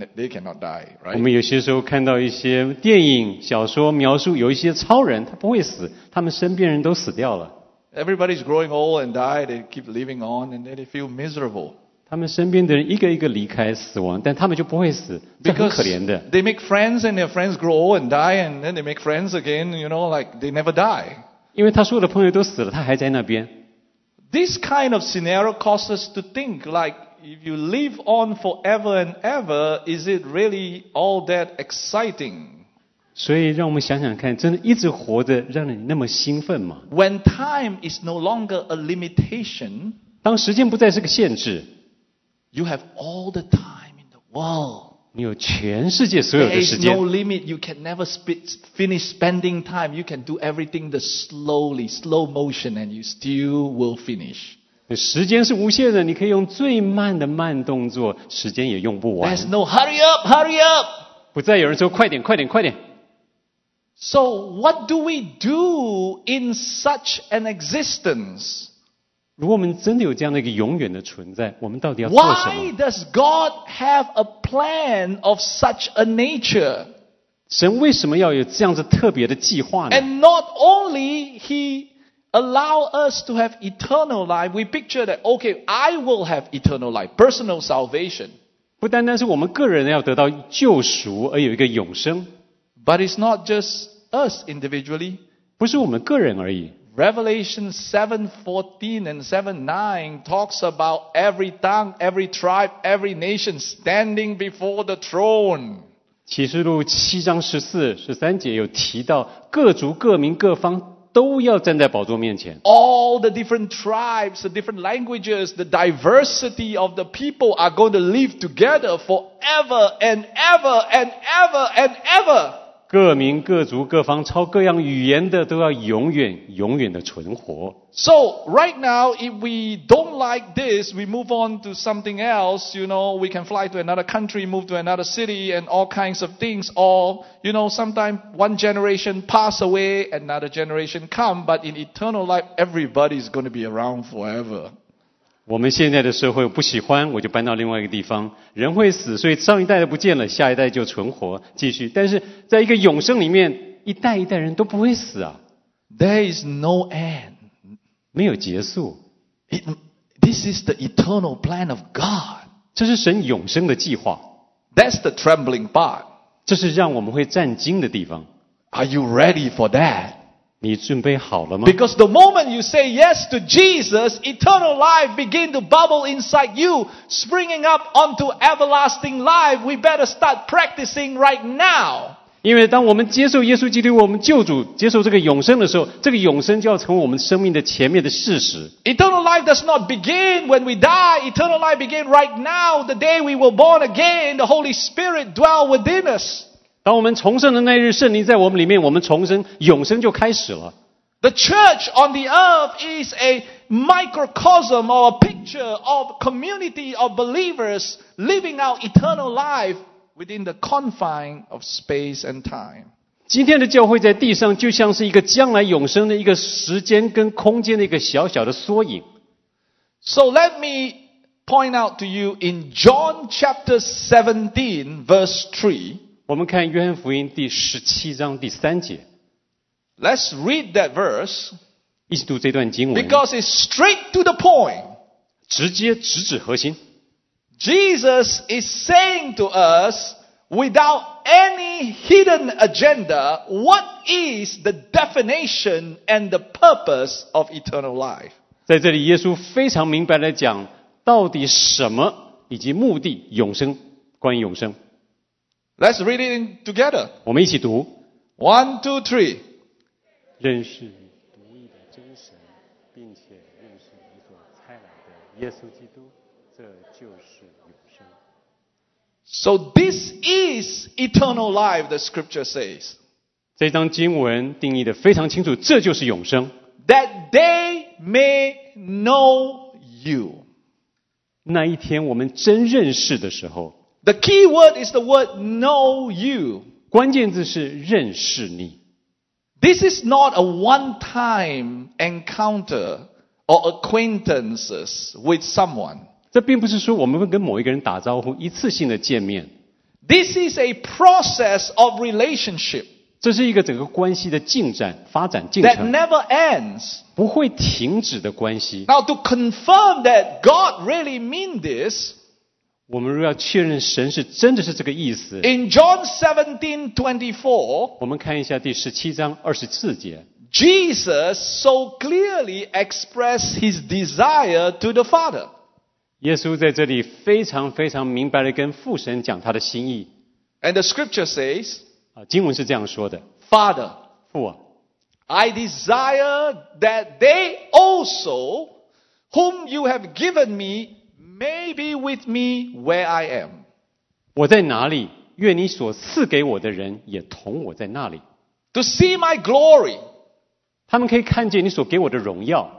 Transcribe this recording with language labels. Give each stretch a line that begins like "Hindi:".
English: They cannot die, right?
Chinese: 我们有些时候看到一些电影、小说描述有一些超人，他不会死，他们身边人都死掉了。
English: Everybody's growing old and die. They keep living on, and then they feel miserable.
Chinese: 他们身边的人一个一个离开死亡，但他们就不会死，这很可怜的。
English: Because they make friends and their friends grow old and die, and then they make friends again. You know, like they never die.
Chinese: 因为他所有的朋友都死了，他还在那边。
English: This kind of scenario causes us to think, like if you live on forever and ever, is it really all that exciting?
Chinese: 所以让我们想想看，真的一直活着让你那么兴奋吗？
English: When time is no longer a limitation,
Chinese: 当时间不再是个限制。
English: You have all the time in the world.
Chinese: 你有全世界所有的时间。
English: There is no limit. You can never finish spending time. You can do everything the slowly, slow motion, and you still will finish.
Chinese: 时间是无限的，你可以用最慢的慢动作，时间也用不完。
English: There's no hurry up, hurry up.
Chinese: 不再有人说快点，快点，快点。
English: So what do we do in such an existence?
Chinese: 如果我们真的有这样的一个永远的存在，我们到底要做什么？
English: Why does God have a plan of such a nature?
Chinese: 神为什么要有这样子特别的计划呢？
English: And not only He allow us to have eternal life, we picture that, okay, I will have eternal life, personal salvation.
Chinese: 不单单是我们个人要得到救赎而有一个永生。
English: But it's not just us individually.
Chinese: 不是我们个人而已。
English: Revelation 7:14 and 7:9 talks about every tongue, every tribe, every nation standing before the throne.
Chinese: 启示录七章十四、十三节有提到各族、各民、各方都要站在宝座面前。
English: All the different tribes, the different languages, the diversity of the people are going to live together forever and ever and ever and ever.
Chinese: 各民各族各方超各样语言的都要永远永远的存活。
English: So right now, if we don't like this, we move on to something else. You know, we can fly to another country, move to another city, and all kinds of things. Or, you know, sometimes one generation pass away, another generation come. But in eternal life, everybody is going to be around forever.
Chinese: 我们现在的社会不喜欢，我就搬到另外一个地方。人会死，所以上一代的不见了，下一代就存活继续。但是在一个永生里面，一代一代人都不会死啊。
English: There is no end.
Chinese: 没有结束。
English: This is the eternal plan of God.
Chinese: 这是神永生的计划。
English: That's the trembling part.
Chinese: 这是让我们会战惊的地方。
English: Are you ready for that?
Chinese: 你准备好了吗?
English: Because the moment you say yes to Jesus, eternal life begin to bubble inside you, springing up onto everlasting life. We better start practicing right now.
Chinese: 因为当我们接受耶稣基督我们救主，接受这个永生的时候，这个永生就要成为我们生命的前面的事实。
English: Eternal life does not begin when we die. Eternal life begin right now, the day we were born again. The Holy Spirit dwell within us.
Chinese: 当我们重生的那日，圣灵在我们里面，我们重生，永生就开始了。
English: The church on the earth is a microcosm or a picture of community of believers living out eternal life within the confine of space and time.
Chinese: 今天的教会在地上就像是一个将来永生的一个时间跟空间的一个小小的缩影。
English: So let me point out to you in John chapter 17 verse 3,
Chinese: 我们看约翰福音第十七章第三节。
English: Let's read that verse.
Chinese: 一起读这段经文。
English: Because it's straight to the point.
Chinese: 直接直指核心。
English: Jesus is saying to us, without any hidden agenda, what is the definition and the purpose of eternal life?
Chinese: 在这里耶稣非常明白地讲到底什么以及目的永生，关于永生。
English: Let's read it together.
Chinese: 我们一起读。
English: One, two, three.
Chinese: 认识独一的真神，并且认识你所差来的耶稣基督，这就是永生。
English: So this is eternal life, the scripture says.
Chinese: 这张经文定义的非常清楚，这就是永生。
English: That they may know you.
Chinese: 那一天我们真认识的时候。
English: The key word is the word know you.
Chinese: 关键字是认识你。
English: This is not a one-time encounter or acquaintances with someone.
Chinese: 这并不是说我们会跟某一个人打招呼，一次性的见面。
English: This is a process of relationship.
Chinese: 这是一个整个关系的进展，发展进程。
English: That never ends.
Chinese: 不会停止的关系。
English: Now to confirm that God really means this,
Chinese: 我们若要确认神是真的是这个意思。
English: In John 17:24,
Chinese: 我们看一下第17章24节。
English: Jesus so clearly expressed his desire to the Father.
Chinese: 耶稣在这里非常非常明白地跟父神讲他的心意。
English: And the scripture says,
Chinese: 经文是这样说的。
English: Father,
Chinese: 父啊,
English: I desire that they also, whom you have given me,May be with me where I am.
Chinese: 我在哪里，愿你所赐给我的人也同我在那里。
English: To see my glory.
Chinese: 他们可以看见你所给我的荣耀。